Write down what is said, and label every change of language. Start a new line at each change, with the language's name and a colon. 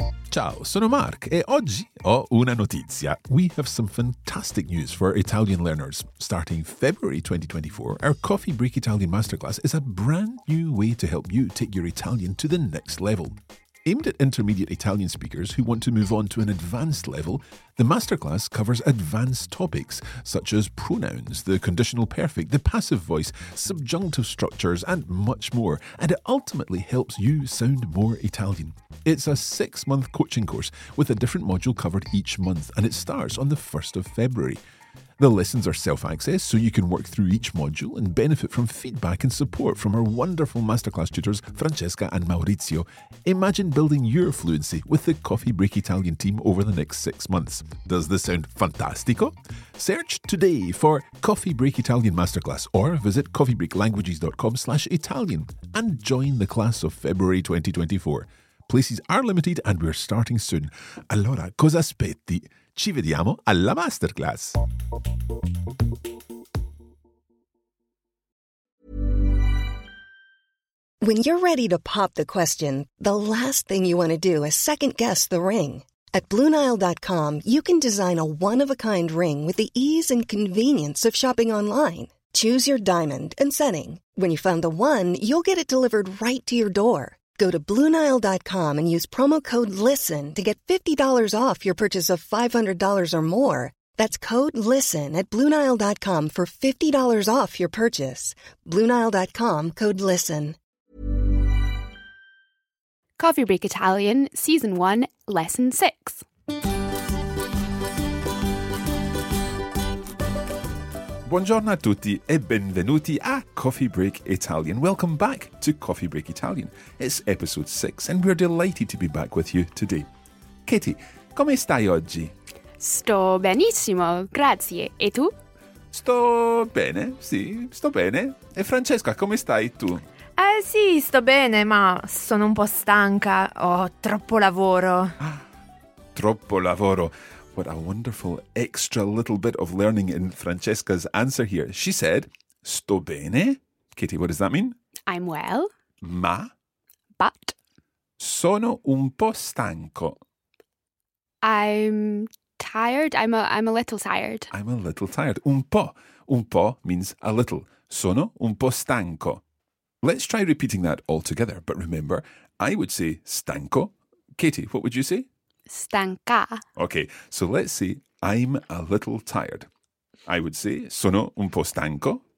Italian: Ciao, sono Mark e oggi ho una notizia.
English: We have some fantastic news for Italian learners. Starting February 2024, our Coffee Break Italian Masterclass is a brand new way to help you take your Italian to the next level. Aimed at intermediate Italian speakers who want to move on to an advanced level, the masterclass covers advanced topics such as pronouns, the conditional perfect, the passive voice, subjunctive structures, and much more, and it ultimately helps you sound more Italian. It's a six-month coaching course with a different module covered each month, and it starts on the 1st of February. The lessons are self-access, so you can work through each module and benefit from feedback and support from our wonderful masterclass tutors, Francesca and Maurizio. Imagine building your fluency with the Coffee Break Italian team over the next 6 months. Does this sound fantastico? Search today for Coffee Break Italian Masterclass or visit coffeebreaklanguages.com/Italian and join the class of February 2024. Places are limited and we're starting soon.
Italian: Allora, cosa aspetti? Ci vediamo alla masterclass.
English: When you're ready to pop the question, the last thing you want to do is second guess the ring. At BlueNile.com, you can design a one-of-a-kind ring with the ease and convenience of shopping online. Choose your diamond and setting. When you find the one, you'll get it delivered right to your door. Go to BlueNile.com and use promo code LISTEN to get $50 off your purchase of $500 or more. That's code LISTEN at BlueNile.com for $50 off your purchase. BlueNile.com, code LISTEN. Coffee Break Italian, Season 1, Lesson 6.
Italian: Buongiorno a tutti e benvenuti a Coffee Break Italian.
English: Welcome back to Coffee Break Italian. It's episode 6 and we're delighted to be back with you today.
Italian: Katie, come stai oggi? Sto benissimo, grazie. E tu? Sto bene, sì, sto bene. E Francesca, come stai tu? Sì, sto bene, ma sono un po' stanca. Ho troppo lavoro. Troppo lavoro.
English: What a wonderful extra little bit of learning in Francesca's answer here. She said,
Italian: sto bene.
English: Katie, what does that mean? I'm well.
Italian: Ma.
English: But.
Italian: Sono un po' stanco.
English: I'm tired. I'm a little tired. I'm a little tired.
Italian: Un po'. Un po'
English: means a little.
Italian: Sono un po' stanco.
English: Let's try repeating that all together. But remember, I would say stanco. Katie, what would you say?
Italian: Stanca.
English: Okay, so let's say I'm a little tired. I would say
Italian: sono un po' stanco.